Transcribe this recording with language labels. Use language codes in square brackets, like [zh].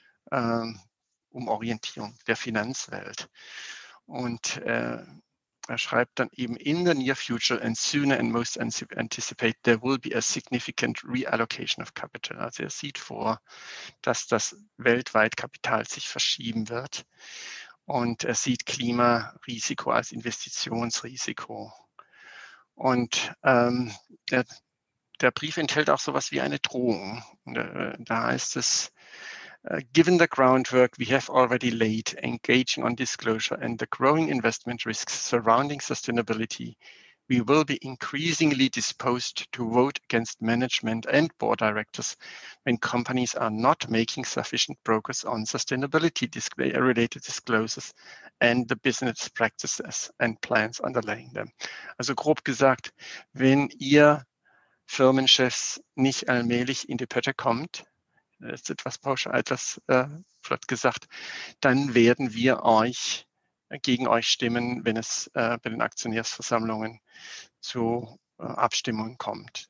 [de] Umorientierung der Finanzwelt. Und er schreibt dann eben, [en] in the near future and sooner and most anticipate, there will be a significant reallocation of capital. [de] Also er sieht vor, dass das weltweit Kapital sich verschieben wird. Und er sieht Klimarisiko als Investitionsrisiko. Und der Brief enthält auch sowas wie eine Drohung. Da heißt es, [en] given the groundwork we have already laid, engaging on disclosure and the growing investment risks surrounding sustainability, we will be increasingly disposed to vote against management and board directors when companies are not making sufficient progress on sustainability-related disclosures and the business practices and plans underlying them. [de] Also grob gesagt, wenn ihr Firmenchefs nicht allmählich in die Pötte kommt, das ist etwas pauschal, etwas flott gesagt, dann werden wir euch gegen euch stimmen, wenn es bei den Aktionärsversammlungen zu Abstimmungen kommt.